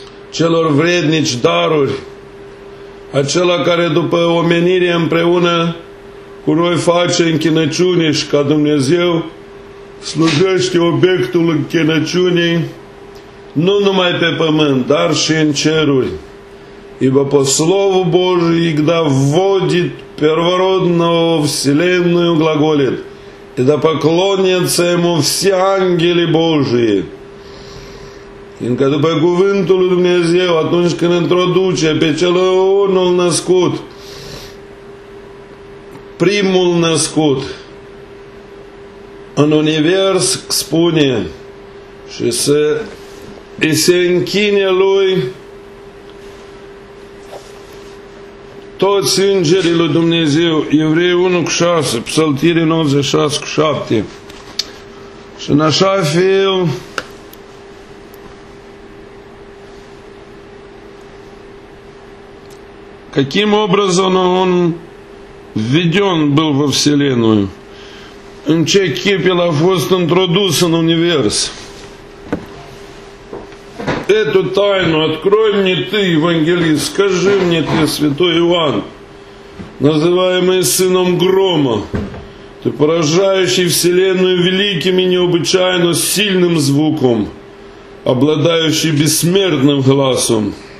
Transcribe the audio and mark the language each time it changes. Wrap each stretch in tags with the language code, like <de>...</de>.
<ro>celor vrednici daruri, Acela care după omenire împreună cu noi face închinăciune și ca Dumnezeu slujește obiectul închinăciunii nu numai pe pământ, dar și în ceruri.</ro> <ru>Ibo по слову Божию, когда вводит первородного вселенную глаголит, и да поклонятся ему все ангели Божии.</ru> <ro>Инка după cuvântul lui Dumnezeu, atunci când introduce pe cel unul născut, primul născut în univers, spune și se închine lui toți îngerii lui Dumnezeu, Evrei 1:6, Psaltire 96:7. Și în așa fel,</ro> <ru>каким образом он введен был во Вселенную?</ru> <ro>În ce chip el a fost introdus în univers?</ro> <ru>Эту тайну открой мне ты, Евангелист, скажи мне ты, Святой Иоанн, называемый Сыном Грома, ты поражающий Вселенную великим и необычайно сильным звуком, обладающий бессмертным гласом.</ru>